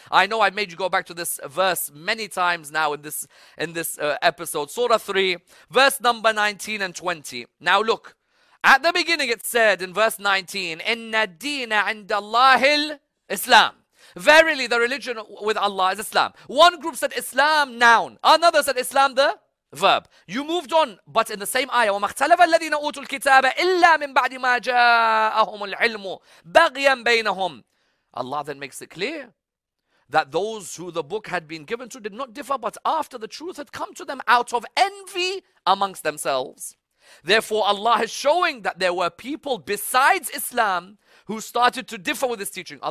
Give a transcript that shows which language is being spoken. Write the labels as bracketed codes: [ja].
[en] I know I made you go back to this verse many times now in this episode. Surah 3 verse number 19 and 20. Now look. At the beginning it said in verse 19, [ar] إِنَّ الدِّينَ عِنْدَ اللَّهِ الْإِسْلَامِ. [en] Verily the religion with Allah is Islam. One group said Islam, noun. Another said Islam, the verb. You moved on, but in the same ayah, [ar] وَمَخْتَلَفَ الَّذِينَ أُوتُوا الْكِتَابَ إِلَّا مِنْ بَعْدِ مَا جَاءَهُمُ الْعِلْمُ بَغْيًا بَيْنَهُمْ. [en] Allah then makes it clear that those who the book had been given to did not differ, but after the truth had come to them out of envy amongst themselves. Therefore, Allah is showing that there were people besides Islam who started to differ with this teaching.